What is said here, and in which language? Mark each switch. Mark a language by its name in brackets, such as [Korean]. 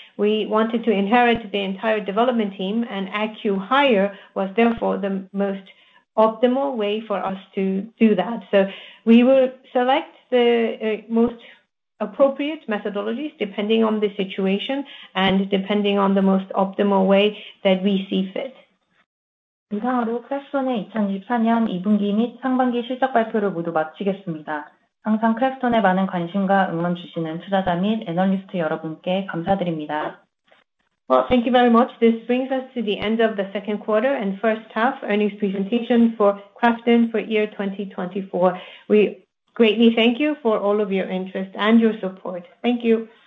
[English] We wanted to inherit the entire development team, and acqui-hire was therefore the most optimal way for us to do that. So we will select the most appropriate methodologies depending on the situation and depending on the most optimal way that we see fit. [Korean] 이상으로 크래프톤의 2024년 2분기 및 상반기 실적 발표를 모두 마치겠습니다. 항상 크래프톤에 많은 관심과 응원 주시는 투자자 및 애널리스트 여러분께 감사드립니다. [English] Well, thank you very much. This brings us to the end of the second quarter and first half earnings presentation for KRAFTON for year 2024. We greatly thank you for all of your interest and your support. Thank you.